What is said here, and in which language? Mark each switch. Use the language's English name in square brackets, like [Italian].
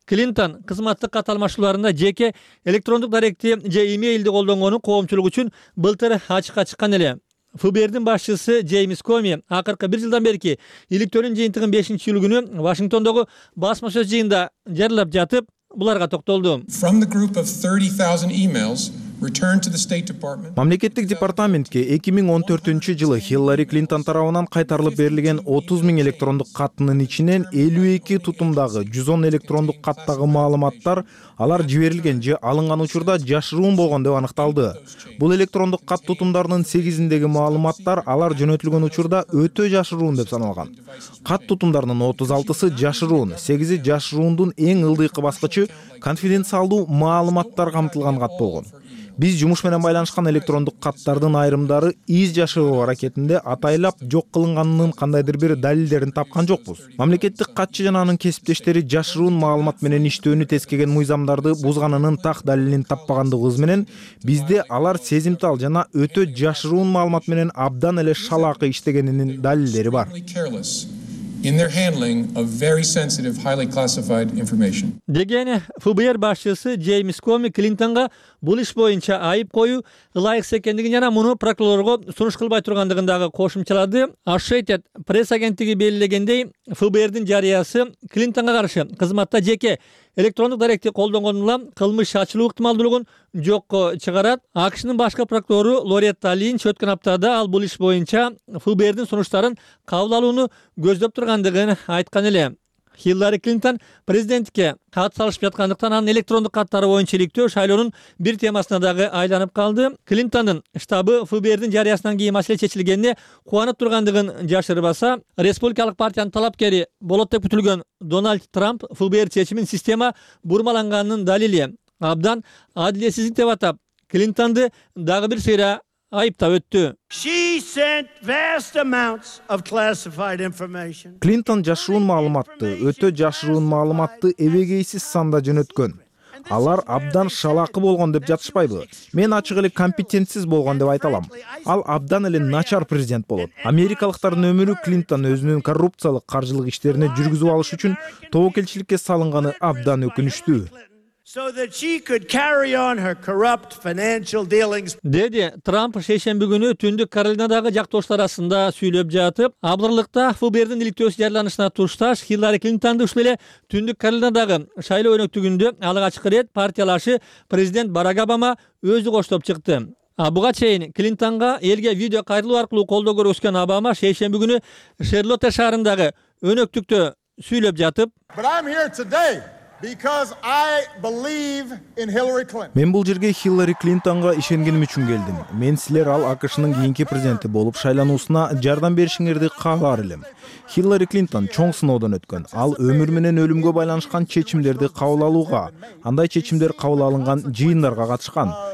[Kyrgyz] Клинтон кызматтык кат алмашууларында жеке электрондук даректи же имейлди колдонгону коомчулук үчүн былтыр ачыкка чыккан эле. ФБРдин башчысы Джеймс Коми акыркы бир жылдан берки иликтөөнүн жыйынтыгын 5-чи июль күнү Вашингтондогу басма сөз жыйында жарылап жатып, буларга токтолду. [English] From the group of 30,000 emails returned to the State Department. [Kyrgyz] Мамлекеттик департаментке 2014 жылы Хиллари Клинтон тарабынан кайтарылып берилген 30 000 электрондук каттын ичинен 52 тутумдагы 110 электрондук каттагы маалыматтар алар жиберилген же алынган учурда жашыруун болгон деп аныкталды. Бул электрондук кат тутумдарынын 8-индеги маалыматтар алар жөнөтүлгөн учурда өтө жашыруун деп саналган. Кат тутумдарынын 36-сы жашыруун, 8-и жашыруундун эң ылдыйкы баскычы конфиденциалдуу маалыматтар камтылган кат болгон. Биз жумуш менен байланышкан электрондук каттардын айрымдары из жашыруу аракетинде атайылап жок кылынганынын кандайдыр бир далилдерин тапкан жокпуз. Мамлекеттик катчы жана анын кесиптештери жашыруун маалымат менен иштөөнү тескеген мыйзамдарды бузганынын так далилин таппагандыгыбыз менен бизде алар сезимтал жана өтө жашыруун маалымат менен абдан эле шалаакы иштегенинин далилдери бар. [English] In their handling of very sensitive, highly classified information. [Kyrgyz] Деген ФБР башчысы Джеймс Коми Клинтонго бул иш боюнча айып коюу ылайыксыз экендигин жана муну прокурорго сунуш кылбай тургандыгын дагы кошумчалады. Associated Press агенттиги белгилегендей, ФБРдин жарыясы Клинтонго каршы кызматта жеке электрондук даректи колдонгон улам кылмыш ачылуу ыктымалдуулугун жокко чыгарат. АКШнын башкы прокурору Лоретта Линч өткөн аптада ал бул иш боюнча ФБРдин сунуштарын кабыл алууну көздөп тургандыгын айткан эле. Хиллари Клинтон президенттікке қат салышып жатқандықтан анын электрондық қаттары бойынша иликтөө шайлоонун бир темасына дагы айланып калды. Клинтондун штабы ФБРдин жарыясынан кийин маселе чечилгенине кубанып тургандыгын жашырбаса, республикалык партиянын талапкери болот деп күтүлгөн Дональд Трамп ФБР чечимин система бурмаланганынын далили абдан адилетсиздик деп атап, Клинтонду дагы бир сыйра айыптап өттү. [English] She sent vast amounts of classified information. [Kyrgyz] Клинтон жашыруун маалыматты, өтө жашыруун маалыматты эбегейсиз санда жөнөткөн. Алар абдан шалакы болгон деп жатышпайбы? Мен ачык эле компетентсиз болгон деп айта алам. Ал абдан эле начар президент болот. Америкалыктардын өмүрү Клинтон өзүнүн коррупциялык каржылык иштерине жүргүзүп алыш үчүн тобокелчиликке салынганы абдан өкүнүчтүү. [English] So that she could carry on her corrupt financial dealings. [Kyrgyz] Деди Трамп шейшемби күнү Түндүк Каролинадагы жактоштор арасында сүйлөп жатып, абдырлыкта ФБРдин иликтөөсү жарыялашына тушташ Хиллари Клинтонду ушул эле Түндүк Каролинадагы шайлоо өнөктүгүндө алгач ирет партиялашы президент Барак Обама өзү коштоп чыкты. А буга чейин Клинтонго элге видео кайрылуу аркылуу колдоо көрсөткөн Обама шейшемби күнү Шарлотта шаарындагы өнөктүктө сүйлөп жатып, [English] "But I'm here today because I believe in Hillary Clinton." [Kyrgyz] Мен бул жерге Хиллари Клинтонго ишенгеним үчүн келдим. Мен силер ал АКШнын кийинки президенти болуп шайлануусуна жардам беришиңерди каалар элем. Хиллари Клинтон чоң сыноодон өткөн. Ал өмүр менен өлүмгө байланышкан чечимдерди кабыл алууга, андай чечимдер кабыл алынган жыйындарга катышкан.